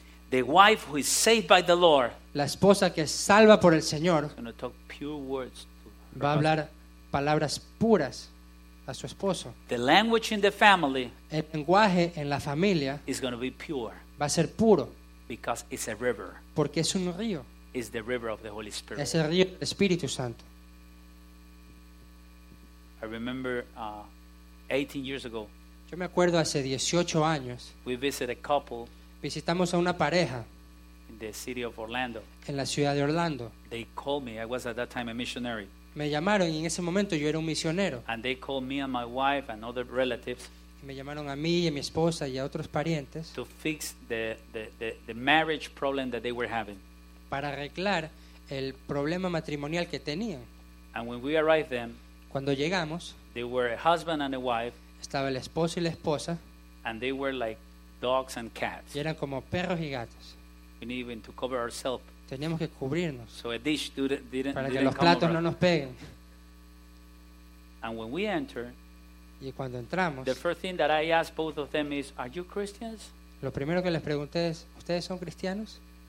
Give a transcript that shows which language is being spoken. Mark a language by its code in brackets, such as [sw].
[en] The wife who is saved by the Lord. [es] La esposa que es salva por el Señor. [en] Is going to talk pure words to [es] va a hablar palabras puras a su esposo. [en] The language in the family, [es] el lenguaje en la familia, [en] is going to be pure, [es] va a ser puro, [en] because it's a river, [es] porque es un río, [en] is the river of the Holy Spirit, [es] es el río del Espíritu Santo. [en] I remember 18 years ago, [es] yo me acuerdo hace 18 años, [en] we visited a couple, [es] visitamos a una pareja, [en] in the city of Orlando, [es] en la ciudad de Orlando. [en] They called me, I was at that time a missionary. [es] Me llamaron y en ese momento yo era un misionero. [en] And they called me and my wife and other relatives. [es] Y me llamaron a mí y a mi esposa y a otros parientes. [en] To fix the marriage problem that they were having. [es] Para arreglar el problema matrimonial que tenían. [en] And when we arrived then, [es] cuando llegamos, [en] they were a husband and a wife. [es] Estaba el esposo y la esposa. [en] And they were like dogs and cats. [es] Y eran como perros y gatos. [en] We needed even to cover ourselves. [es] Teníamos que cubrirnos, [en] so a dish didn't, [es] para que los platos no nos peguen. [en] And when we enter, [es] y cuando entramos, [en] the first thing that I asked both of them is, "Are you Christians?" [es] Lo primero que les pregunté es, ¿ustedes son cristianos?